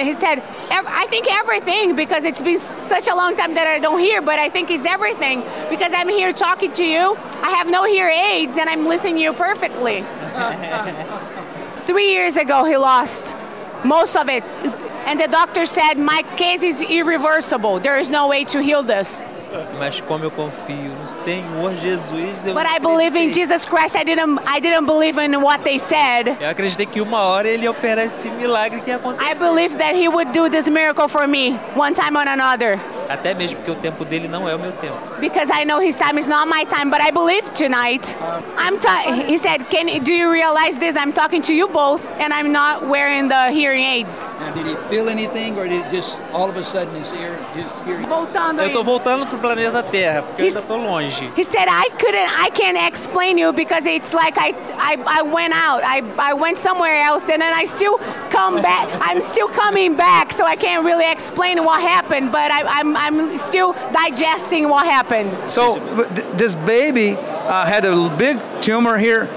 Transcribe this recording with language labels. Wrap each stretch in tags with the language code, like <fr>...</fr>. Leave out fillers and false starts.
<en>He said, I think everything, because it's been such a long time that I don't hear, but I think it's everything. Because I'm here talking to you, I have no hear aids, and I'm listening to you perfectly. 3 years ago, he lost most of it. And the doctor said, my case is irreversible. There is no way to heal this.</en> <pt>Mas como eu confio no Senhor Jesus, eu</pt> <en>But I believe in Jesus Christ. I didn't believe in what they said.</en> <pt>Eu acreditei que uma hora ele opera esse milagre que aconteceu.</pt> <en>I believe that he would do this miracle for me one time or another.</en> <pt>Até mesmo porque o tempo dele não é o meu tempo.</pt> <en>Because I know his time is not my time, but I believe tonight. He said, do you realize this? I'm talking to you both, and I'm not wearing the hearing aids. Now, did he feel anything, or did it just all of a sudden his hearing?</en> <pt>Voltando. Eu tô voltando pro planeta Terra porque eu ainda tô longe.</pt> <en>He said, I can't explain you because it's like I went out. I went somewhere else, and then I still come back. I'm still coming back, so I can't really explain what happened, but I'm still digesting what happened. So this baby had a big tumor here.</en>